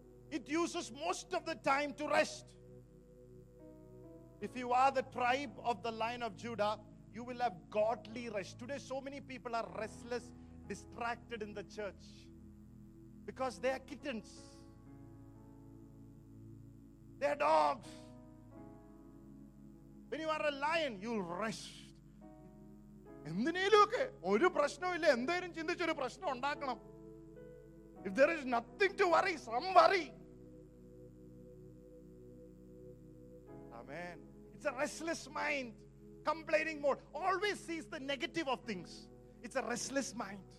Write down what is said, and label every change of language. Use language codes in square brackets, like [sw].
[en] It uses most of the time to rest. If you are the tribe of the Lion of Judah, you will have godly rest. Today so many people are restless, distracted in the church because they are kittens, they are dogs. When you are a lion, you rest. [ml] എന്തിനേലുമൊക്കെ ഒരു പ്രശ്നവുമില്ല, എന്തേലും ചിന്തിച്ചൊരു പ്രശ്നം ഉണ്ടാക്കണം. [en] If there is nothing to worry, some worry. Amen. It's a restless mind, complaining mode. Always sees the negative of things. It's a restless mind.